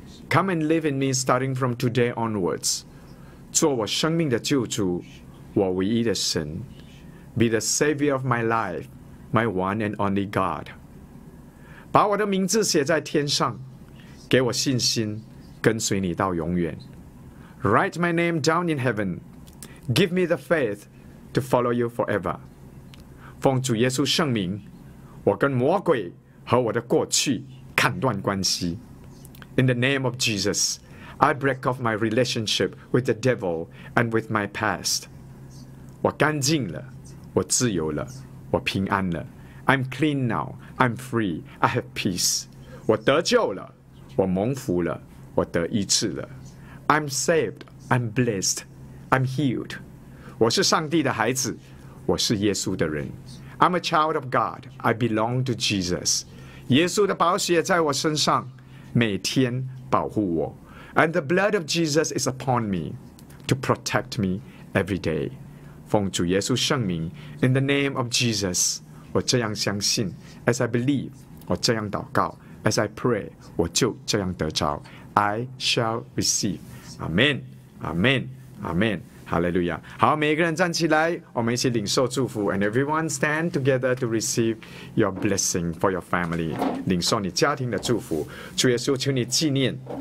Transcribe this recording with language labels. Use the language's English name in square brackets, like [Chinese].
[English] Come and live in me starting from today onwards. [Chinese] 做我生命的救主，我唯一的神。 [English] Be the savior of my life, my one and only God. [Chinese] 把我的名字写在天上，给我信心，跟随你到永远。 [English] Write my name down in heaven. Give me the faith to follow you forever. [Chinese] 奉主耶稣圣名，我跟魔鬼和我的过去砍断关系。 [English] In the name of Jesus, I break off my relationship with the devil and with my past. [Chinese] 我干净了。我自由了，我平安了。 [English] I'm clean now. I'm free. I have peace. [Chinese] 我得救了，我蒙福了，我得医治了。 [English] I'm saved. I'm blessed. I'm healed. [Chinese] 我是上帝的孩子，我是耶稣的人。 [English] I'm a child of God. I belong to Jesus. [Chinese] 耶稣的宝血在我身上，每天保护我。 [English] And the blood of Jesus is upon me to protect me every day. [Chinese] 奉主耶稣圣名 [English] In the name of Jesus [Chinese] 我这样相信 [English] As I believe [Chinese] 我这样祷告 [English] As I pray [Chinese] 我就这样得着 [English] I shall receive Amen Amen Amen Hallelujah [Chinese] 好每一个人站起来我们一起领受祝福 [English] And everyone stand together to receive your blessing for your family [Chinese] 领受你家庭的祝福主耶稣求你纪念